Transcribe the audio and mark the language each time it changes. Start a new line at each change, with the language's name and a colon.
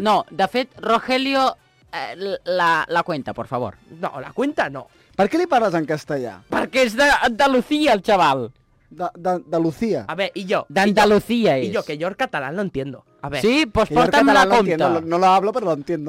Spanish: No, de fet, Rogelio, la cuenta, por favor. No, la cuenta no.
Catalan: Per què li parles en castellà? Perquè és d'Andalucía, el xaval. D'Andalucía.
Spanish: A ver, y yo. D'Andalucía es. Y yo, que yo el catalán lo entiendo. A ver.
Catalan: Sí,
Spanish: pues
Catalan: porta'm la compta.
Spanish: No lo hablo, pero lo entiendo.